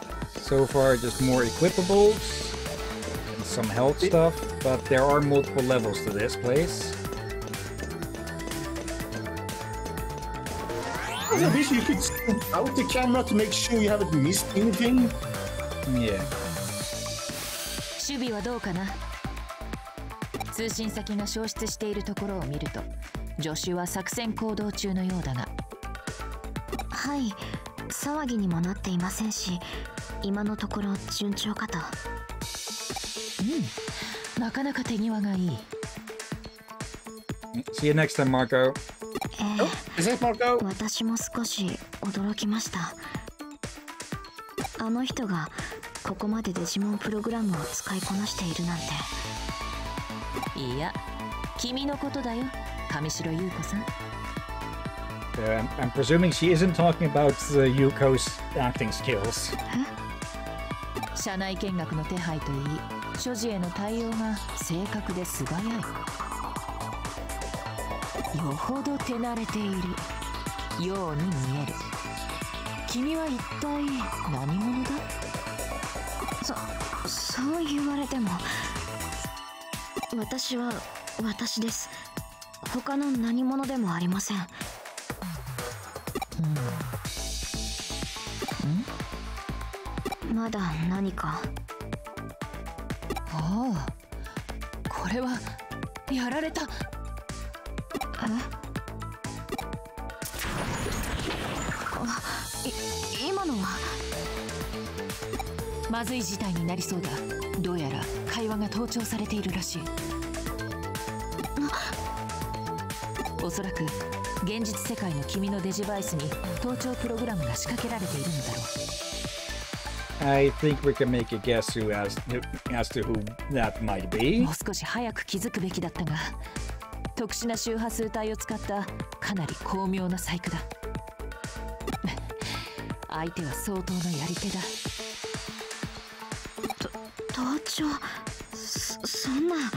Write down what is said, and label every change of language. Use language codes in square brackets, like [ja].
[en] So far, just more equipables and some health stuff, but there are multiple levels to this place. I wish you could scan out the camera to make sure you haven't missed anything. Yeah. [ja] 守備はどうかな？通信先が消失しているところを見ると、助手は作戦行動中のようだが。はい、騒ぎにもなっていませんし。今のところ順調かと。うん、なかなか手際がいい。 [en] See you next time, Marco. Is it Marco? [ja] 私も少し驚きました。あの人がここまでデジモンプログラムを使いこなしているなんて。いや、君のことだよ、上白優子さん。 [en] I'm presuming she isn't talking about the Yuko's acting skills. [ja] 社内見学の手配といい、所持への対応が正確で素早い。よほど手慣れているように見える。君は一体何者だ？そう言われても、私は私です。他の何者でもありません。まだ何か。おお、これはやられた。今のは。まずい事態になりそうだ。どうやら会話が盗聴されているらしい。おそらく現実世界の君のデジバイスに盗聴プログラムが仕掛けられているのだろう。 [en] I think we can make a guess as to who that might be. [ja] もう少し早く気づくべきだったが、特殊な周波数帯を使ったかなり巧妙な細工だ。相手は相当なやり手だ。盗聴、そんな。